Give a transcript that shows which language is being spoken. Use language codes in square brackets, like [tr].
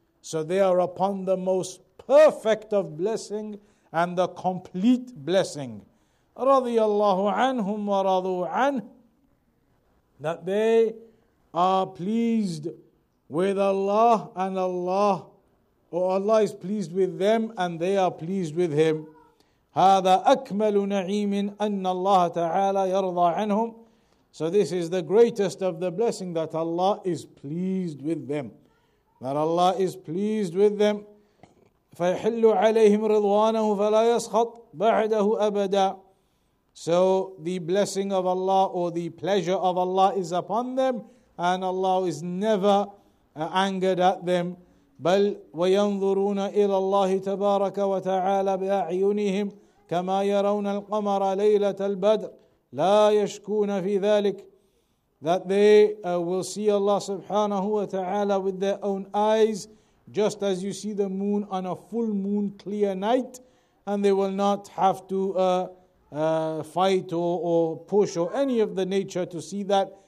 [en] So they are upon the most perfect of blessing and the complete blessing. [ar] Radiallahu anhum wa radu an, [en] that they are pleased with Allah, and Allah, or Allah is pleased with them, and they are pleased with Him. [ar] هذا أكمل نعيم أن الله تعالى يرضى عنهم. [en] So this is the greatest of the blessing, that Allah is pleased with them. That Allah is pleased with them. [ar] فيحل عليهم رضوانه فلا يسخط بعده أبدا. [en] So the blessing of Allah, or the pleasure of Allah, is upon them, and Allah is never angered at them. [ar] بل وينظرون إلى الله تبارك وتعالى بأعينهم كما يرون القمر ليلة البدر La yashkuna fi dhalik, [en] that they will see Allah subhanahu wa ta'ala with their own eyes, just as you see the moon on a full moon, clear night, and they will not have to fight or push or any of the nature to see that.